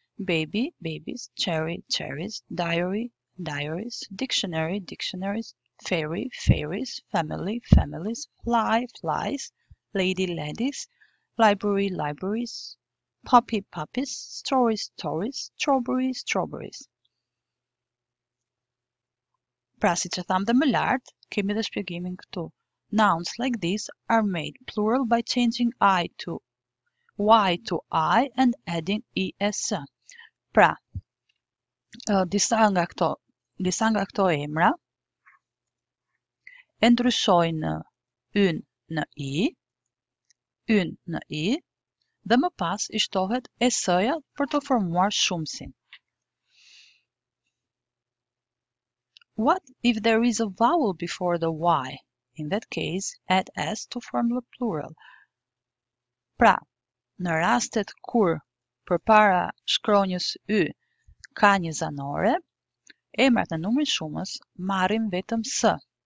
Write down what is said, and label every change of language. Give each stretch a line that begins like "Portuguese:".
English: Baby, babies, cherry, cherries, diary, diaries, dictionary, dictionaries, fairy, fairies, family, families, fly, flies, lady, ladies, library, libraries, puppy, puppies, story, stories, strawberry, strawberries.
Albanian: Pra si që thamë dhe më lartë, kemi dhe shpjegimin këtu.
English: Nouns like these are made plural by changing I to Y to I and adding ES.
Albanian: Pra, disa nga këto emra e ndryshojnë yn në I, yn në I, dhe më pas I shtohet ES-ja për të formuar shumësin.
English: What if there is a vowel before the Y? In that case, add S to form the plural.
Albanian: Pra, në rastet kur përpara shkronjës Y ka një zanore, emrat në numrin shumës marrin vetëm S.